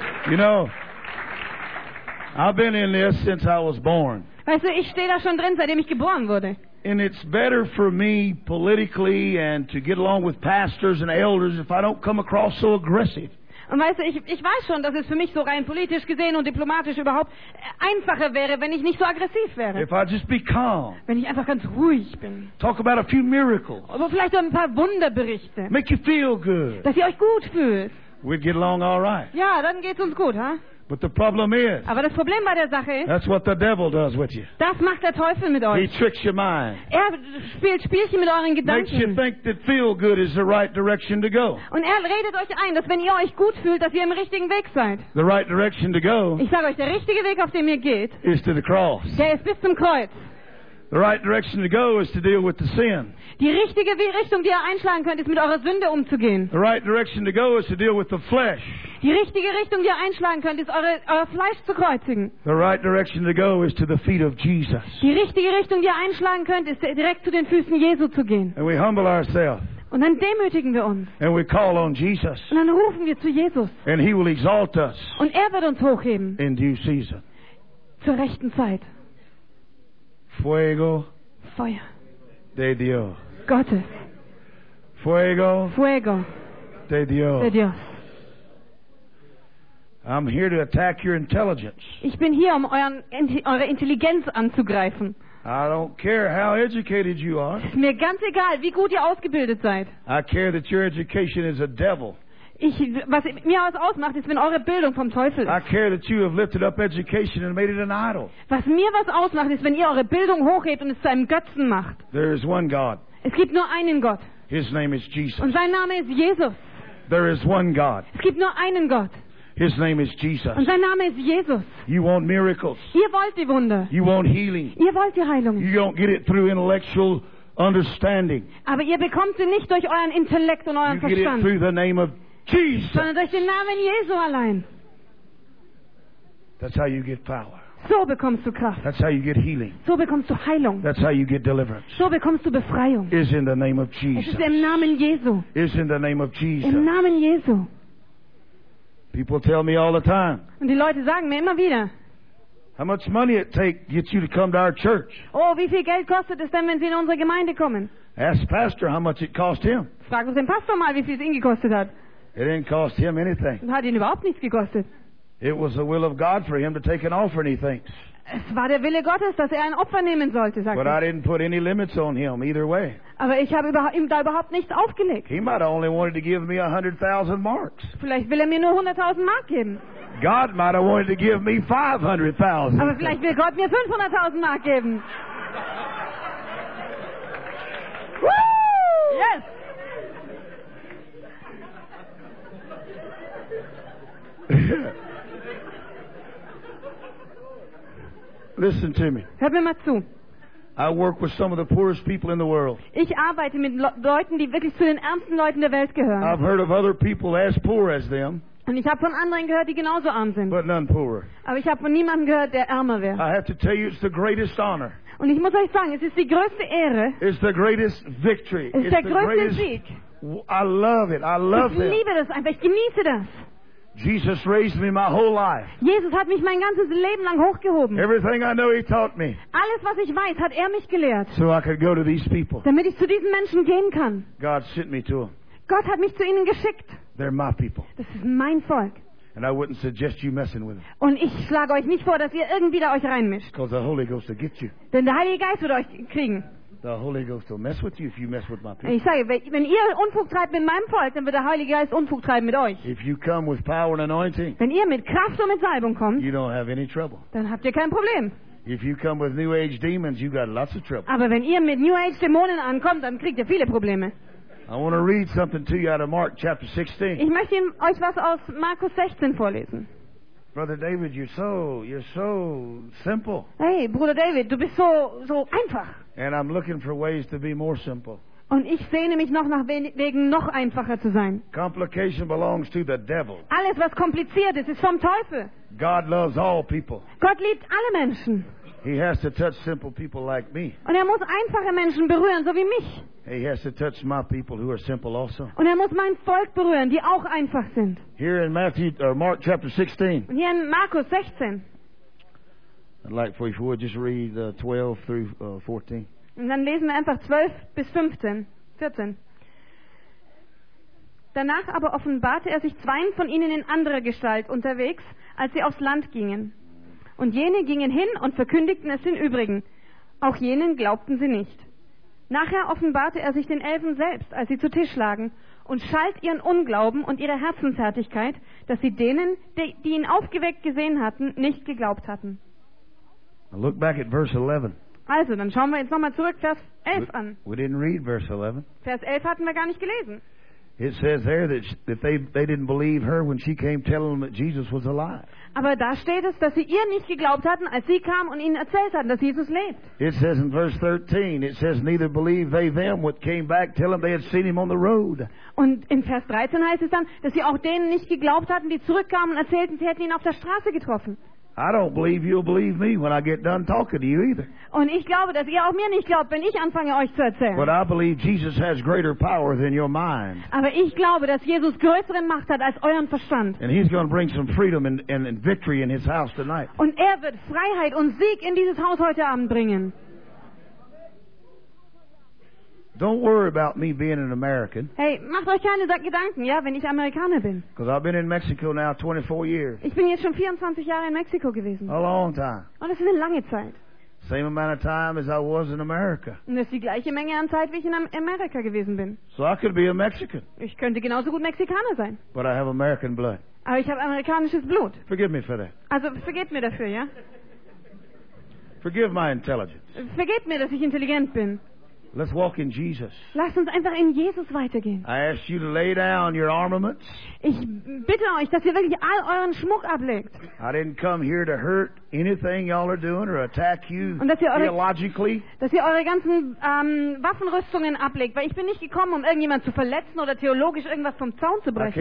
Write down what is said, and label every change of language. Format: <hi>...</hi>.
<en>You know, I've been in this since I was born.</en> <de>Weißt du, ich stehe da schon drin, seitdem ich geboren wurde.</de> <en>And it's better for me politically and to get along with pastors and elders if I don't come across so aggressive.</en> <de>Und weißt du, ich weiß schon, dass es für mich so rein politisch gesehen und diplomatisch überhaupt einfacher wäre, wenn ich nicht so aggressiv wäre.</de> <en>If I just be calm.</en> <de>Wenn ich einfach ganz ruhig bin.</de> <en>Talk about a few miracles.</en> <de>Oder vielleicht ein paar Wunderberichte.</de> <en>Make you feel good.</en> <de>Dass ihr euch gut fühlt.</de> <en>We'd get along all right.</en> <de>Ja, dann geht's uns gut, huh?</de> <en>But the problem is,</en> <de>aber das Problem bei der Sache ist,</de> <en>that's what the devil does with you.</en> <de>Das macht der Teufel mit euch.</de> <en>He tricks your mind.</en> <de>Er spielt Spielchen mit euren Gedanken.</de> <en>Makes you think that feel good is the right direction to go.</en> <de>Und er redet euch ein, dass wenn ihr euch gut fühlt, dass ihr im richtigen Weg seid.</de> <en>The right direction to go,</en> <de>ich sage euch, der richtige Weg, auf dem ihr geht,</de> <en>is to the cross.</en> <de>Der ist bis zum Kreuz.</de> <en>The right direction to go is to deal with the sin.</en> <de>Die richtige Richtung, die ihr einschlagen könnt, ist mit eurer Sünde umzugehen.</de> <en>The right direction to go is to deal with the flesh.</en> <de>Die richtige Richtung, die ihr einschlagen könnt, ist euer Fleisch zu kreuzigen.</de> <en>The right direction to go is to the feet of Jesus.</en> <de>Die richtige Richtung, die ihr einschlagen könnt, ist direkt zu den Füßen Jesu zu gehen.</de> <en>And we humble ourselves.</en> <de>Und dann demütigen wir uns.</de> <en>And we call on Jesus.</en> <de>Und dann rufen wir zu Jesus.</de> <en>And he will exalt us.</en> <de>Und er wird uns hochheben.</de> <en>In due season.</en> <de>Zur rechten Zeit.</de> <es>Fuego.</es> <de>Feuer.</de> <es>De Dios.</es> <de>Gottes.</de> <es>Fuego. Fuego. De Dios. De Dios.</es> <en>I'm here to attack your intelligence.</en> <de>Ich bin hier, um eure Intelligenz anzugreifen.</de> <en>I don't care how educated you are.</en> <de>Ist mir ganz egal, wie gut ihr ausgebildet seid.</de> <en>I care that your education is a devil.</en> <de>Was mir was ausmacht, ist, wenn eure Bildung vom Teufel ist.</de> <en>I care that you have lifted up education and made it an idol.</en> <de>Was mir was ausmacht, ist, wenn ihr eure Bildung hochhebt und es zu einem Götzen macht.</de> <en>There is one God.</en> <de>Es gibt nur einen Gott.</de> <en>His name is Jesus.</en> <de>Und sein Name ist Jesus.</de> <en>There is one God.</en> <de>Es gibt nur einen Gott.</de> <en>His name is Jesus.</en> <de>Und sein Name ist Jesus.</de> <en>You want miracles.</en> <de>Ihr wollt die Wunder.</de> <en>You want healing.</en> <de>Ihr wollt die Heilung.</de> <en>You don't get it through intellectual understanding.</en> <de>Aber ihr bekommt sie nicht durch euren Intellekt und euren Verstand.</de> <en>You get it through the name of Jesus.</en> <de>Sondern durch den Namen Jesu allein.</de> <en>That's how you get power.</en> <de>So bekommst du Kraft.</de> <en>That's how you get healing.</en> <de>So bekommst du Heilung.</de> <en>That's how you get deliverance.</en> <de>So bekommst du Befreiung.</de> <en>Is in the name of Jesus.</en> <de>Es ist im Namen Jesu.</de> <en>Is in the name of Jesus.</en> <de>Im Namen Jesu.</de> <en>People tell me all the time.</en> <de>Und die Leute sagen mir immer wieder.</de> <en>How much money it take get you to come to our church?</en> <de>Oh, wie viel Geld kostet es denn, wenn sie in unsere Gemeinde kommen?</de> <en>Ask Pastor how much it cost him.</en> <de>Frag uns den Pastor mal, wie viel es ihn gekostet hat.</de> <en>It didn't cost him anything.</en> <de>Hat ihn überhaupt nichts gekostet.</de> <en>It was the will of God for him to take an offering, he thinks.</en> <de>Es war der Wille Gottes, dass ein Opfer nehmen sollte, sagt</de> <en>But</en> <de>er.</de> <en>I didn't put any limits on him either way.</en> <de>Aber ich habe ihm da überhaupt nichts aufgelegt.</de> <en>He might have only wanted to give me 100,000 marks.</en> <de>Vielleicht will er mir nur 100,000 Mark geben.</de> <en>God might have wanted to give me 500,000.</en> <de>Aber vielleicht will Gott mir 500,000 Mark geben.</de> <en>Yes. Listen to me.</en> <de>Hör mir mal zu.</de> <en>I work with some of the poorest people in the world.</en> <de>Ich arbeite mit Leuten, die wirklich zu den ärmsten Leuten der Welt gehören.</de> <en>I've heard of other people as poor as them.</en> <de>Und ich habe von anderen gehört, die genauso arm sind.</de> <en>But none poorer.</en> <de>Aber ich habe von niemandem gehört, der ärmer wäre.</de> <en>I have to tell you, it's the greatest honor.</en> <de>Und ich muss euch sagen, es ist die größte Ehre.</de> <en>It's the greatest victory.</en> <de>Es ist der größte Sieg.</de> <en>I love it. I love</en> <de>it. Ich liebe das einfach. Ich genieße das.</de> <en>Jesus raised me my whole life.</en> <de>Jesus hat mich mein ganzes Leben lang hochgehoben.</de> <en>Everything I know, he taught me.</en> <de>Alles, was ich weiß, hat mich gelehrt.</de> <en>So I could go to these people.</en> <de>Damit ich zu diesen Menschen gehen kann.</de> <en>God sent me to them.</en> <de>Gott hat mich zu ihnen geschickt.</de> <en>They're my people.</en> <de>Das ist mein Volk.</de> <en>And I wouldn't suggest you messing with them.</en> <de>Und ich schlage euch nicht vor, dass ihr irgendwie da euch reinmischt.</de> <en>Because the Holy Ghost will get you.</en> <de>Denn der Heilige Geist wird euch kriegen.</de> <en>The Holy Ghost will mess with you if you mess with my people.</en> <de>Ich sage, wenn ihr Unfug treibt mit meinem Volk, dann wird der Heilige Geist Unfug treiben mit euch.</de> <en>If you come with power and anointing,</en> <de>wenn ihr mit Kraft und mit Salbung kommt,</de> <en>you don't have any trouble.</en> <de>Dann habt ihr kein Problem.</de> <en>If you come with New Age demons, you got lots of trouble.</en> <de>Aber wenn ihr mit New Age Dämonen ankommt, dann kriegt ihr viele Probleme.</de> <en>I want to read something to you out of Mark chapter 16.</en> <de>Ich möchte euch was aus Markus 16 vorlesen.</de> <en>Brother David, you're so simple.</en> <de>Hey, Bruder David, du bist so einfach.</de> <en>And I'm looking for ways to be more simple.</en> <de>Und ich sehne mich noch nach Wegen, noch einfacher zu sein.</de> <en>Complication belongs to the devil.</en> <de>Alles, was kompliziert ist, ist vom Teufel.</de> <en>God loves all people.</en> <de>Gott liebt alle Menschen.</de> <en>He has to touch simple people like me.</en> <de>Und muss einfache Menschen berühren, so wie mich.</de> <en>He has to touch my people who are simple also.</en> <de>Und muss mein Volk berühren, die auch einfach sind.</de> <en>Here in Mark chapter 16.</en> <de>Und hier in Markus 16.</de> <en>I'd like for you to just read 12 through 14.</en> <de>Und dann lesen wir einfach 12 bis 15, 14. Danach aber offenbarte er sich zweien von ihnen in anderer Gestalt unterwegs, als sie aufs Land gingen. Und jene gingen hin und verkündigten es den Übrigen. Auch jenen glaubten sie nicht. Nachher offenbarte er sich den Elfen selbst, als sie zu Tisch lagen, und schalt ihren Unglauben und ihre Herzensfertigkeit, dass sie denen, die ihn aufgeweckt gesehen hatten, nicht geglaubt hatten.</de> <en>Now look back at verse 11.</en> <de>Also, dann schauen wir jetzt nochmal zurück, Vers 11 an.</de> <en>We didn't read verse 11.</en> <de>Vers 11 hatten wir gar nicht gelesen.</de> <en>It says there that they didn't believe her when she came telling them that Jesus was alive.</en> <de>Aber da steht es, dass sie ihr nicht geglaubt hatten, als sie kam und ihnen erzählt hatten, dass Jesus lebt.</de> <en>It says in verse 13, it says, neither believed they them what came back telling them they had seen him on the road.</en> <de>Und in Vers 13 heißt es dann, dass sie auch denen nicht geglaubt hatten, die zurückkamen und erzählten, sie hätten ihn auf der Straße getroffen.</de> <en>I don't believe you'll believe me when I get done talking to you either.</en> <de>Und ich glaube, dass ihr auch mir nicht glaubt, wenn ich anfange, euch zu erzählen.</de> <en>But I believe Jesus has greater power than your mind.</en> <de>Aber ich glaube, dass Jesus größere Macht hat als euren Verstand.</de> <en>And he's going to bring some freedom and victory in his house tonight.</en> <de>Und wird Freiheit und Sieg in dieses Haus heute Abend bringen.</de> <en>Don't worry about me being an American.</en> <de>Hey, macht euch keine Gedanken, ja, wenn ich Amerikaner bin.</de> <en>Because I've been in Mexico now 24 years.</en> <de>Ich bin jetzt schon 24 Jahre in Mexiko gewesen.</de> <en>A long time.</en> <de>Und es ist eine lange Zeit.</de> <en>Same amount of time as I was in America.</en> <de>Und das ist die gleiche Menge an Zeit, wie ich in Amerika gewesen bin.</de> <en>So I could be a Mexican.</en> <de>Ich könnte genauso gut Mexikaner sein.</de> <en>But I have American blood.</en> <de>Aber ich habe amerikanisches Blut.</de> <en>Forgive me for that.</en> <de>Also vergib mir dafür, ja?</de> <en>Forgive my intelligence.</en> <de>Vergib mir, dass ich intelligent bin.</de> <en>Let's walk in Jesus.</en> <de>Lass uns einfach in Jesus weitergehen.</de> <en>I ask you to lay down your armaments.</en> <de>Ich bitte euch, dass ihr wirklich all euren Schmuck ablegt.</de> <en>I didn't come here to hurt anything y'all are doing or attack you theologically.</en> <de>Dass ihr eure ganzen Waffenrüstungen ablegt, weil ich bin nicht gekommen, um irgendjemand zu verletzen oder theologisch irgendwas vom Zaun zu brechen.</de>